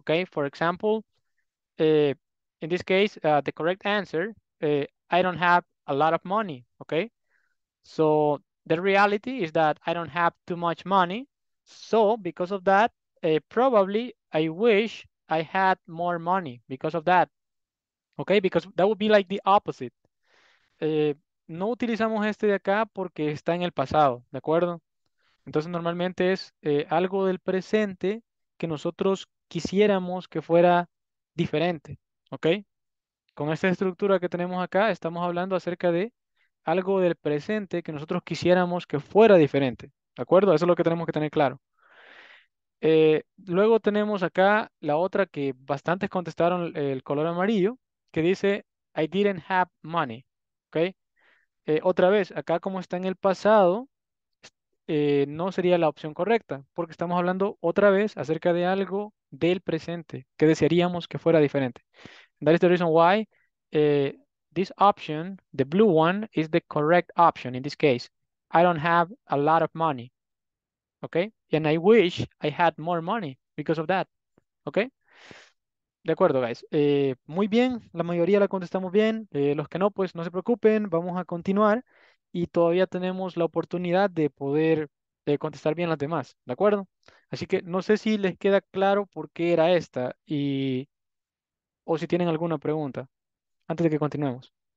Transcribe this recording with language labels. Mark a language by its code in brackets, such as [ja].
[en] Okay, for example, in this case, the correct answer, I don't have a lot of money. Okay, so the reality is that I don't have too much money. So because of that, probably I wish I had more money because of that. Okay, because that would be like the opposite. [es] No utilizamos este de acá porque está en el pasado, ¿de acuerdo? Entonces normalmente es algo del presente que nosotros quisiéramos que fuera diferente, ¿ok? Con esta estructura que tenemos acá estamos hablando acerca de algo del presente que nosotros quisiéramos que fuera diferente, ¿de acuerdo? Eso es lo que tenemos que tener claro. Luego tenemos acá la otra que bastantes contestaron el color amarillo, que dice, [en] I didn't have money, [es] ¿ok? Otra vez, acá como está en el pasado, no sería la opción correcta, porque estamos hablando otra vez acerca de algo del presente que desearíamos que fuera diferente. [en] And that is the reason why this option, the blue one, is the correct option in this case. I don't have a lot of money, okay? And I wish I had more money because of that, okay? [es] De acuerdo, guys. Muy bien, la mayoría la contestamos bien. Los que no, pues no se preocupen, vamos a continuar. Y todavía tenemos la oportunidad de poder contestar bien las demás, ¿de acuerdo? Así que no sé si les queda claro por qué era esta y o si tienen alguna pregunta antes de que continuemos.